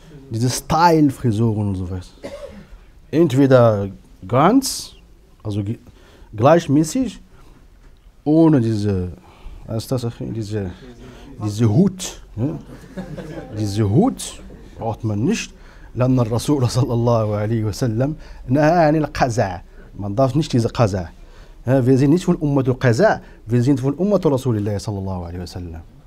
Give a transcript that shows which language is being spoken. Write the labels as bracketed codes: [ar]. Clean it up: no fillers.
[de] Diese Style-Frisuren und sowas. Entweder ganz, also gleichmäßig, ohne diese, was ist das? Diese Hut. Ne? Diese Hut braucht man nicht. [ar] لأن الرسول صلى الله عليه وسلم نهى عن القزع. [de] Man darf nicht diese قزع. Wir sind nicht von [ar] أمة القزع. [de] Wir sind von [ar] أمة رسول الله صلى الله عليه وسلم.